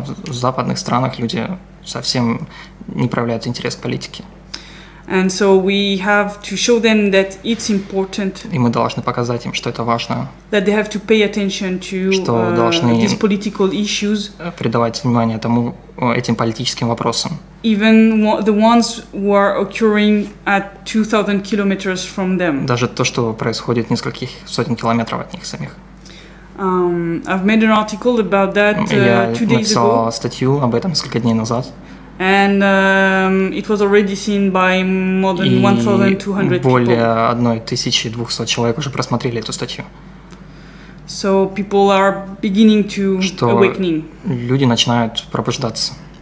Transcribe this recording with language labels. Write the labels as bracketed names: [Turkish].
[Russian] В западных странах люди совсем не проявляют интерес к политике. [English] And so we have to show them that it's important. [Russian] И мы должны показать им, что это важно. [English] That they have to pay attention to these political issues. [Russian] Придавать внимание тому этим политическим вопросам. [English] Even the ones who are occurring at 2,000 kilometers from them. [Russian] Даже то, что происходит в нескольких сотен километров от них самих. [English] I've made an article about that two days ago. [Russian] Я написал статью об этом несколько дней назад. [English] And it was already seen by more than 1,200 people. [Russian] Более 1,200 человек уже просмотрели эту статью. [English] So people are beginning to awaken. [Russian] Люди начинают пробуждаться.